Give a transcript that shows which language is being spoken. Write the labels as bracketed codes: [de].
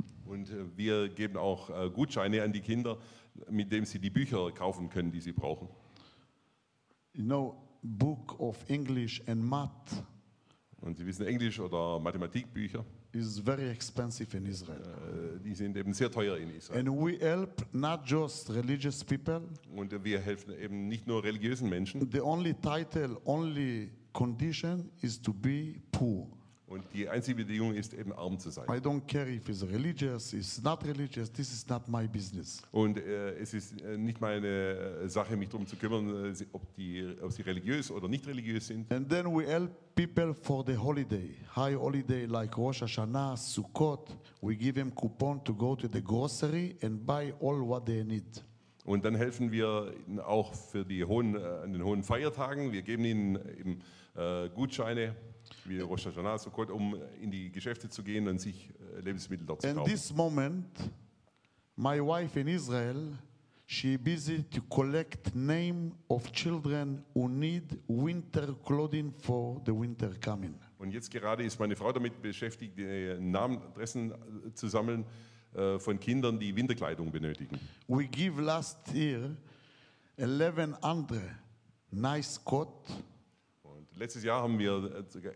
[de] Und wir geben auch Gutscheine an die Kinder, mit dem sie die Bücher kaufen können, die sie brauchen. [en] You know, book of English and math. [de] Und Sie wissen, Englisch oder Mathematikbücher. [en] Is very expensive in Israel. [de] Die sind eben sehr teuer in Israel. [en] And we help not just religious people. [de] Und wir helfen eben nicht nur religiösen Menschen. [en] The only title, only condition is to be poor. [de] Und die einzige Bedingung ist eben arm zu sein. [en] I don't care if it's religious, it's not religious, this is not my business. [de] Und es ist nicht meine Sache, mich darum zu kümmern, ob sie religiös oder nicht religiös sind. [en] And then we help people for the holiday, high holiday like Rosh Hashanah, Sukkot. We give them coupon to go to the grocery and buy all what they need. [de] Und dann helfen wir auch für die hohen, an den hohen Feiertagen. Wir geben ihnen eben Gutscheine, wie Rosh Hashanah, Sukkot, um in die Geschäfte zu gehen und sich Lebensmittel dort zu kaufen. [en] In this moment, my wife in Israel, she is busy to collect name of children who need winter clothing for the winter coming. [de] Und jetzt gerade ist meine Frau damit beschäftigt, die Namen, Adressen zu sammeln von Kindern, die Winterkleidung benötigen. [en] We give last year 11 [de] andere [en] nice coat. [de] Letztes Jahr haben wir ca.